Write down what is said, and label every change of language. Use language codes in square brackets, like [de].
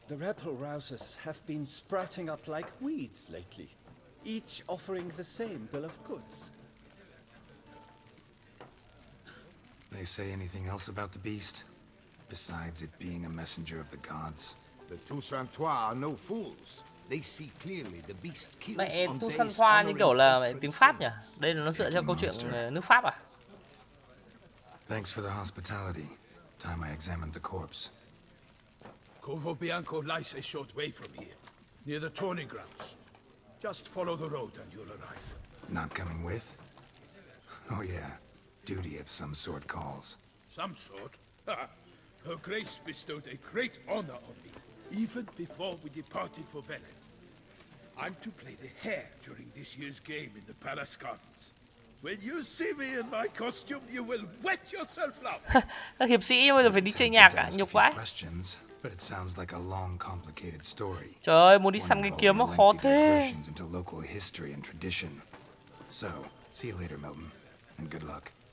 [en] the rebel rousers have been sprouting up like weeds lately, each offering the same bill of goods. They say anything else about the beast, besides it being a messenger of the gods? The Toussaint Trois are no fools. They see clearly the beast kills [vi] mẹ, [en] on Toussaint days honoring [vi] như kiểu là tiếng Pháp nhỉ? Đây là nó dựa theo câu chuyện nước Pháp à? [en] Thanks for the hospitality. Time I examined the corpse. Covo Bianco lies a short way from here, near the tourney grounds. Just follow the road and you'll arrive. Not coming with? Oh yeah, duty of some sort calls. Some sort? Her grace bestowed a great honor on me, even before we departed for Velen. I'm to play the hare during this year's game in the palace gardens. When you see me in my costume, you will wet yourself laughing. [vi] Hiệp sĩ bây giờ phải đi chơi nhạc à, nhục quá. [en] But it sounds like a long, complicated story. [vi] Trời ơi, muốn đi săn cái kiếm mà khó thế. [en] Into local history and tradition. So, see you later, Milton, and good luck.